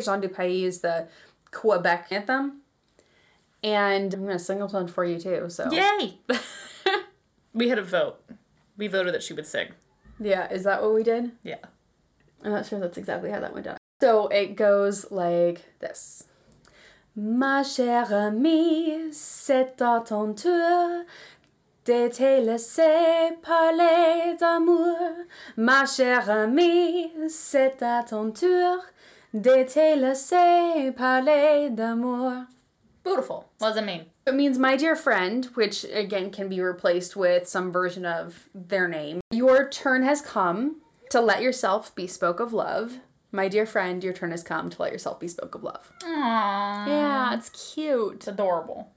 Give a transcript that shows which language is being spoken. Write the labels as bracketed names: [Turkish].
[English] Jean du Pays is the Quebec anthem. And I'm going to sing a song for you too, so. Yay! We had a vote. We voted that she would sing. Yeah, is that what we did? Yeah. I'm not sure that's exactly how that went down. So it goes like this. [French] Ma chère amie, c'est à ton tour de te laisser parler d'amour. Ma chère amie, c'est à ton tour de te laisser parler d'amour. [English] Beautiful. What does it mean? It means my dear friend, which again can be replaced with some version of their name. Your turn has come to let yourself be spoke of love. My dear friend, your turn has come to let yourself be spoke of love. Aww. Yeah, it's cute. It's adorable.